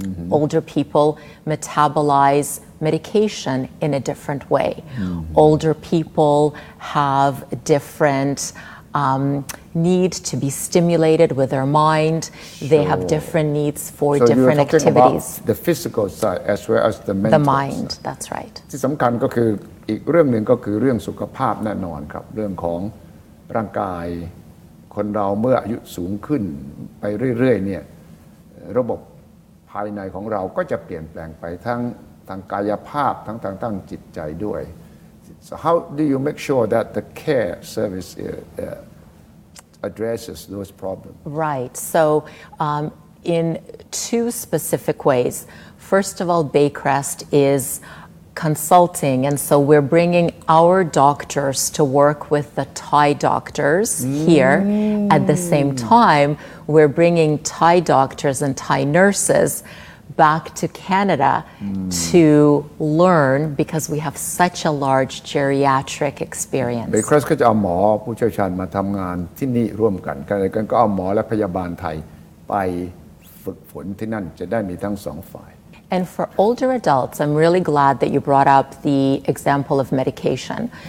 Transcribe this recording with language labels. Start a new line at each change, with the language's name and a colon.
English: Older people metabolize medication in a different way. Older people have different need to be stimulated with their mind. They have different needs for different activities. So you're talking about the physical side as well as the mental side. The mind, that's right.
Thai: ที่สำคัญก็คืออีกเรื่องหนึ่งก็คือเรื่องสุขภาพแน่นอนครับเรื่องของร่างกายคนเราเมื่ออายุสูงขึ้นไปเรื่อยๆเนี่ยระบบภายในของเราก็จะเปลี่ยนแปลงไปทั้งกายภาพทั้งจิตใจด้วย
English: So how do you make sure that the care service addresses those problems? Right. So in two specific ways. First of all, Baycrest is consulting, and so we're bringing our doctors to work with the Thai doctors here. At the same time, we're bringing Thai doctors and Thai nurses back to Canada to learn because we have such a large geriatric experience.
Thai: Baycrest ก็จะเอาหมอผู้เชี่ยวชาญมาทำงานที่นี่ร่วมกันกันก็เอาหมอและพยาบาลไทยไปฝึกฝนที่นั่นจะได้มีทั้งสองฝ่าย
English: And for older adults, I'm really glad that you brought up the example of medication.